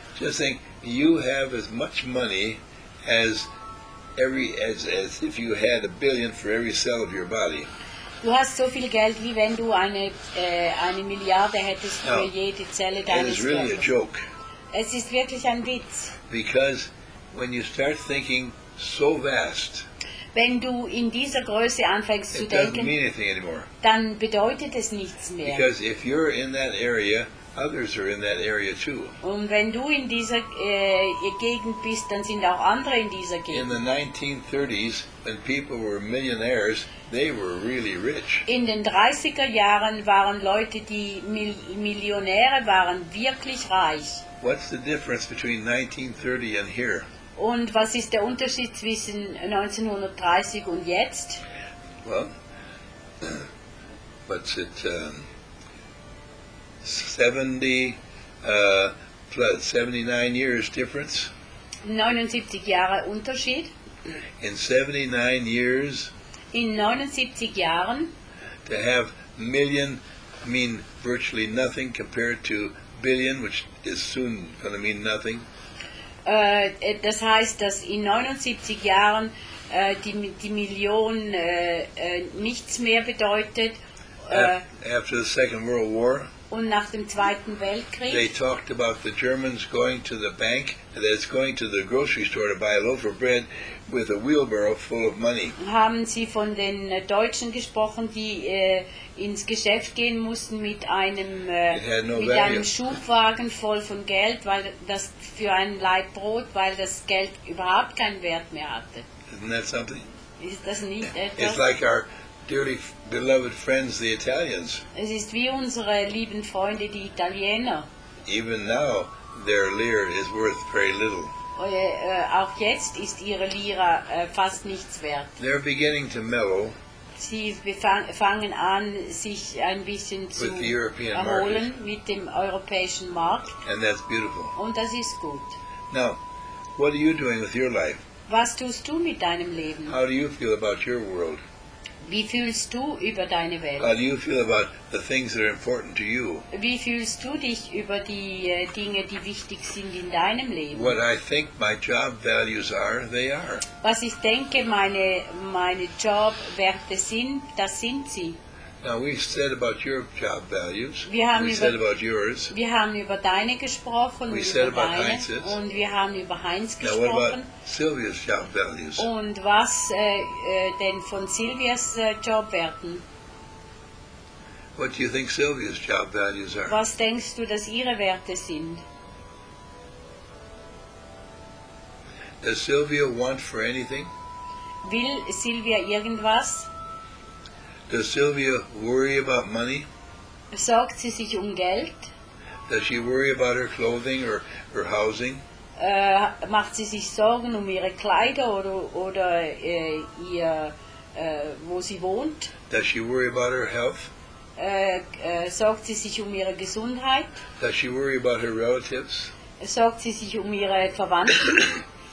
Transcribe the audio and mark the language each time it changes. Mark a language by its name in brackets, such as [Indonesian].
[English] Just think, you have as much money as if you had a billion for every cell of your body. [German] Du hast so viel Geld, wie wenn du eine Milliarde hättest für jede Zelle deines Körpers. [English] It is really a joke. [German] Es ist wirklich ein Witz. [English] Because when you start thinking so vast, [German] wenn du in dieser Größe anfängst zu denken, dann bedeutet es nichts mehr. [English] Because if you're in that area, others are in that area too. [German] Und wenn du in dieser Gegend bist, dann sind auch andere in dieser Gegend. [English] In the 1930s, when people were millionaires, they were really rich. [German] In den 30er Jahren waren Leute, die Millionäre waren, wirklich reich. [English] What's the difference between 1930 and here? [German] Und was ist der Unterschied zwischen 1930 und jetzt? [English] Well, what's it? 70 plus 79 years difference. [German] 79 Jahre Unterschied. [English] In 79 years. [German] In 79 Jahren. [English] To have million mean virtually nothing compared to billion, which is soon going to mean nothing. [German] Das heißt, dass in 79 Jahren die Million nichts mehr bedeutet. [English] After the Second World War. [German] Und nach dem Zweiten Weltkrieg. [English] They talked about the Germans going to the bank, that's going to the grocery store to buy a loaf of bread with a wheelbarrow full of money. [German] Haben sie von den Deutschen gesprochen, die ins Geschäft gehen mussten mit einem Schubwagen voll von Geld, weil das für einen Laib Brot, weil das Geld überhaupt keinen Wert mehr hatte. [English] Isn't that something? [German] Ist das nicht etwas? [English] It's like our dearly beloved friends, the Italians. [German] Es ist wie unsere lieben Freunde, die Italiener. [English] Even now, their lire is worth very little. [German] Auch jetzt ist ihre Lira fast nichts wert. [English] They're beginning to mellow. [German] Sie fangen an, sich ein bisschen zu erholen [English] market. [German] Mit dem europäischen Markt. [English] And that's beautiful. [German] Und das ist gut. [English] Now, what are you doing with your life? [German] Was tust du mit deinem Leben? [English] How do you feel about your world? [German] Wie fühlst du über deine Welt? [English] How do you feel about the things that are important to you? [German] Wie fühlst du dich über die Dinge, die wichtig sind in deinem Leben? [English] What I think my job values are, they are. [German] Was ich denke, meine Jobwerte sind, das sind sie. [English] Now we've said about your job values. We said about yours. [German] Wir haben über deine gesprochen. [English] We said about Heinz's. [German] Und wir haben über Heinz gesprochen. [English] Now what about Sylvia's job values? [German] Und was denn von Sylvias Jobwerten? [English] What do you think Sylvia's job values are? [German] Was denkst du, dass ihre Werte sind? [English] Does Sylvia want for anything? [German] Will Sylvia irgendwas? [English] Does Sylvia worry about money? [German] Sorgt sie sich um Geld? [English] Does she worry about her clothing or her housing? [German] Macht sie sich Sorgen um ihre Kleider oder wo sie wohnt? [English] Does she worry about her health? [German] Sorgt sie sich um ihre Gesundheit? [English] Does she worry about her relatives? [German] Sorgt sie sich um ihre Verwandten?